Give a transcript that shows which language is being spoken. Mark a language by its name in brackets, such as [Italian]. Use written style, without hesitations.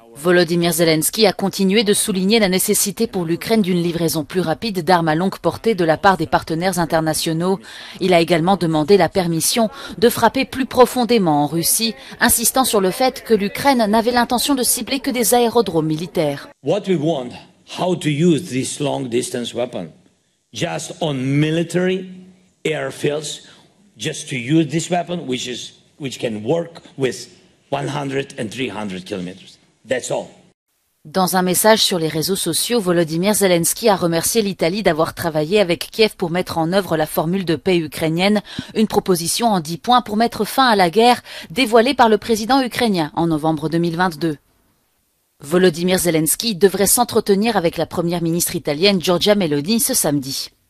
[French] Volodymyr Zelensky a continué de souligner la nécessité pour l'Ukraine d'une livraison plus rapide d'armes à longue portée de la part des partenaires internationaux. Il a également demandé la permission de frapper plus profondément en Russie, insistant sur le fait que l'Ukraine n'avait l'intention de cibler que des aérodromes militaires. [English] What we want, how to use this long distance weapon, just on military airfields, just to use this weapon which can work with 100 and 300 kilometers. That's all. [French] Dans un message sur les réseaux sociaux, Volodymyr Zelensky a remercié l'Italie d'avoir travaillé avec Kiev pour mettre en œuvre la formule de paix ukrainienne, une proposition en 10 points pour mettre fin à la guerre dévoilée par le président ukrainien en novembre 2022. Volodymyr Zelensky devrait s'entretenir avec la première ministre italienne Giorgia Meloni ce samedi.